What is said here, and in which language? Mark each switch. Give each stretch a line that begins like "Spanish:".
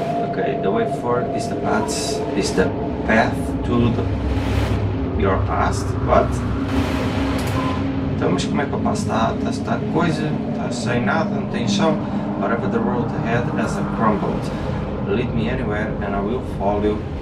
English: Ok, the way forward is the path to your past. What?
Portuguese: Então, mas como é que o passo está? Está coisa, está sem nada, não tem chão.
English: Whatever the road ahead has crumbled. Lead me anywhere and I will follow you.